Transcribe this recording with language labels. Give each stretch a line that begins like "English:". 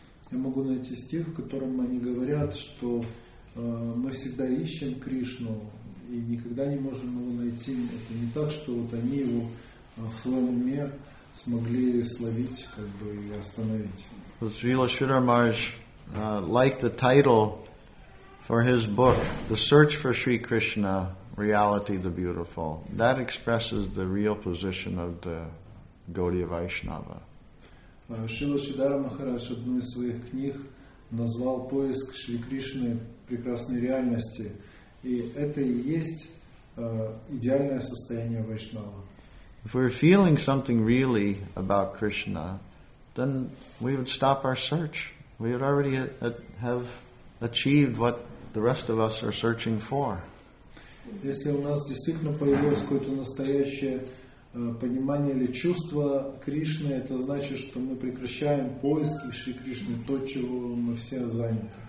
Russian: Я могу найти стих, в котором они говорят, что мы всегда ищем Кришну и никогда не можем его найти. Это не так, что вот они его в своем уме смогли словить, как бы, и остановить.
English: Srila Sridhar Maharaj liked the title for his book, The Search for Sri Krishna, Reality the Beautiful. That expresses the real position of the Gaudiya Vaishnava. Srila Sridhar Maharaj in one of his books
Russian: назвал поиск Шри Кришны прекрасной реальности. И это и есть идеальное состояние Вайшнава.
English: If we're feeling something really about Krishna, then we would stop our search. We would already have achieved what the rest of us are searching for.
Russian: Если у нас действительно появилось какое-то настоящее понимание или чувство Кришны, это значит, что мы прекращаем поиски Шри Кришны, то, чего мы все заняты.